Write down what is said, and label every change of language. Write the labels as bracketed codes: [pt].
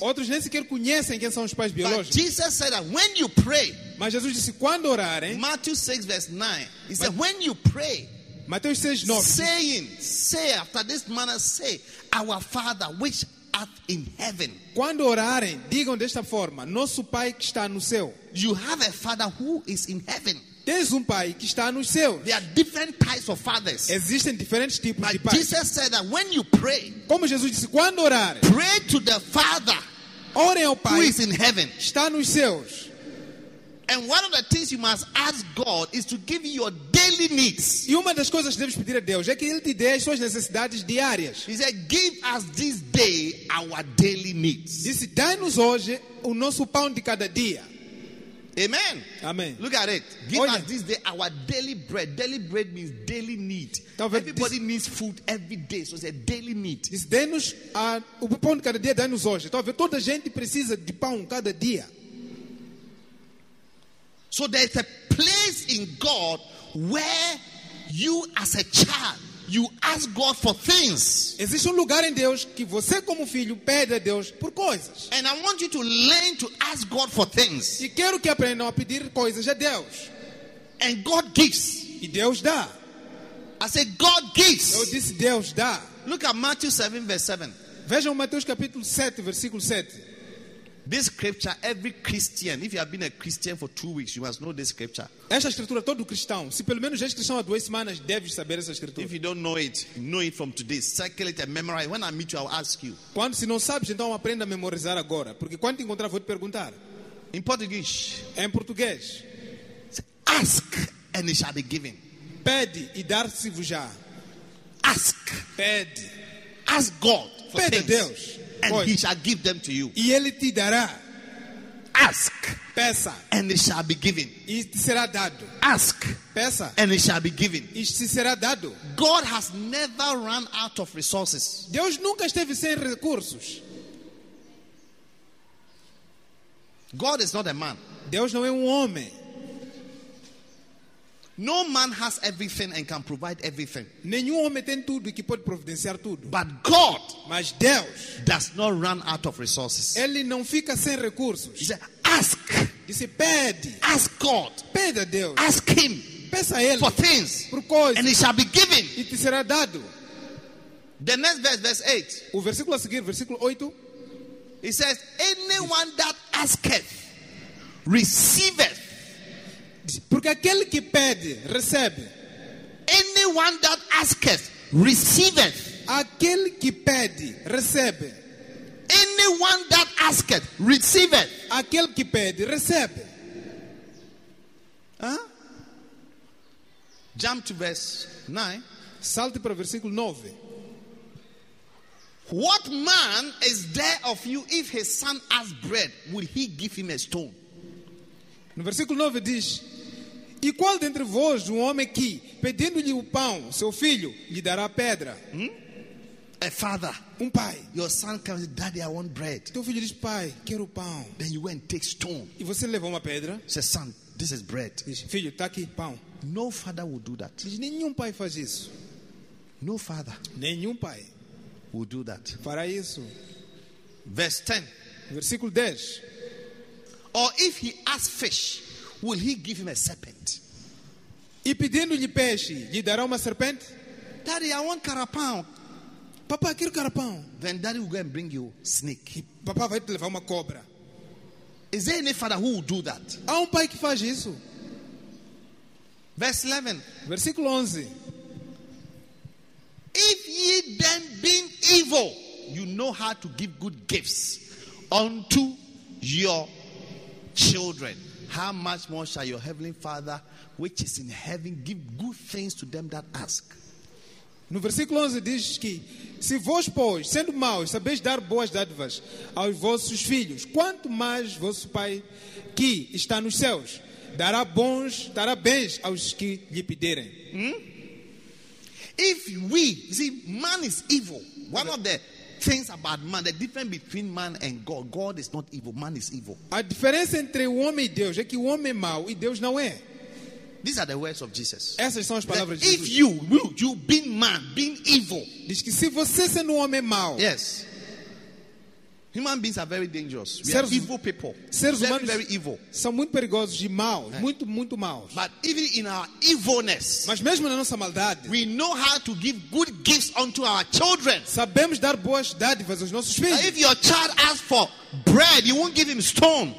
[pt] Outros nem sequer conhecem quem são os pais biológicos. [en] But Jesus said that when you pray, [pt] mas Jesus disse quando orarem, [en] Matthew 6 verse 9, he said when you pray, [pt] Mateus 6, 9, [en] saying, say after this manner, say, our Father which in heaven. [pt] Quando orarem, digam desta forma: nosso pai que está no céu. [en] You have a father who is in heaven. [pt] Tens pai que está nos céus. [en] There are different types of fathers. [pt] Existem diferentes tipos [en] like [pt] de pais. [en] Jesus said that when you pray, [pt] como Jesus disse, quando orar, [en] pray to the Father. [pt] Ore ao pai, [en] who is in heaven. [pt] Está nos céus. [en] And one of the things you must ask God is to give you your daily needs. [pt] E uma das coisas que deves pedir a Deus é que ele te dê as suas necessidades diárias. [en] He said, "Give us this day our daily needs." [pt] Disse, dai-nos hoje o nosso pão de cada dia. [en] Amen. [pt] Amen. [en] Look at it. Give us this day our daily bread. Daily bread means daily need. Everybody needs food every day. So it's a daily need. [pt] Dê-nos o pão de cada dia, dá-nos hoje. Então, toda gente precisa de pão cada dia. [en] So there's a place in God where you as a child, you ask God for things. [pt] Existe lugar em Deus que você como filho pede a Deus por coisas. [en] And I want you to learn to ask God for things. [pt] E quero que aprendam a pedir coisas a Deus. [en] And God gives. [pt] E Deus dá. [en] I say God gives. [pt] Eu disse Deus dá. [en] Look at Matthew 7 verse 7. [pt] Vejam Mateus capítulo 7 versículo 7. [en] This scripture, every Christian, if you have been a Christian for 2 weeks, you must know this scripture. [pt] Essa escritura todo cristão, se pelo menos já é cristão há 2 semanas, deve saber essa escritura. [en] If you don't know it from today. Circle it and memorize. When I meet you, I'll ask you. [pt] Quando se não sabes, então aprenda a memorizar agora, porque quando te encontrar vou te perguntar. [en] In Portuguese. [pt] Em português. [en] Ask and it shall be given. [pt] Pede e dar-se-vos-á. [en] Ask. [pt] Pede. [en] Ask God for [pt] pede [en] things. [pt] Pede a Deus. [en] And pois. He shall give them to you. [pt] E ele te dará. [en] Ask. [pt] Peça. [en] And it shall be given. [pt] E te será dado. [en] Ask. [pt] Peça. [en] And it shall be given. [pt] E te será dado. [en] God has never run out of resources. [pt] Deus nunca esteve sem recursos. [en] God is not a man. [pt] Deus não é homem. [en] No man has everything and can provide everything. [pt] Nenhum homem tem tudo e que pode providenciar tudo. [en] But God, [pt] mas Deus, [en] does not run out of resources. [pt] Ele não fica sem recursos. [en] He said, ask. He said, [pt] pede. [en] Ask God. [pt] Pede a Deus. [en] Ask Him. [pt] Peça a Ele. [en] For things. [pt] Por coisas. [en] And it shall be given. [pt] E te será dado. [en] The next verse, verse 8. [pt] O versículo a seguir, versículo 8. [en] It says, anyone that asketh, receiveth. [pt] Porque aquele que pede, recebe. [en] Anyone that asketh, receiveth. [pt] Aquele que pede, recebe. [en] Anyone that asketh, receiveth. [pt] Aquele que pede, recebe. [en] Huh? Jump to verse 9. [pt] Salte para o versículo 9. [en] What man is there of you if his son asks bread, will he give him a stone? [pt] No versículo 9 diz: e qual dentre vós, um homem que, pedindo-lhe o pão, seu filho, lhe dará pedra? [en] A father. [pt] Um pai. [en] Your son comes, daddy, I want bread. [pt] Teu filho diz, pai, quero pão. [en] Then you went and take stone. [pt] E você levou uma pedra. [en] Say, son, this is bread. [pt] Diz, filho, tá aqui, pão. [en] No father will do that. [pt] Diz, nenhum pai faz isso. [en] No father. [pt] Nenhum pai. [en] Will do that. [pt] Fará isso. [en] Verse 10. [pt] Versículo 10. [en] Or if he asks fish, will he give him a serpent? [pt] E pedindo-lhe peixe, lhe dará uma serpente? [en] Daddy, I want carapão. [pt] Papá, quero carapão. [en] Then daddy will go and bring you snake. [pt] Papá vai te levar uma cobra. [en] Is there any father who will do that? [pt] Há pai que faz isso. [en] Verse 11. Versículo 11. If ye then being evil, you know how to give good gifts unto your children. How much more shall your heavenly Father, which is in heaven, give good things to them that ask? [pt] No versículo 11 diz que se vós, pois, sendo maus, sabeis dar boas dádivas aos vossos filhos, quanto mais vosso Pai que está nos céus dará bons, dará bens aos que lhe pederem. [en] If we see man is evil, one of the things about man, the difference between man and God. God is not evil, man is evil. [pt] A diferença entre o homem e Deus é que o homem é mau e Deus não é. [en] These are the words of Jesus. [pt] Essas são as palavras de Jesus. [en] If you being man, being evil. [pt] Diz que se você sendo um homem mau. [en] Yes. Human beings are very dangerous. We are evil people. [pt] Seres humanos são [en] very evil. [pt] São muito perigosos e maus, muito maus. [en] But even in our evilness, [pt] mas mesmo na nossa maldade, [en] we know how to give good gifts unto our children. [pt] Sabemos dar boas dádivas aos nossos filhos. [en] If your child asks for bread, you won't give him stone.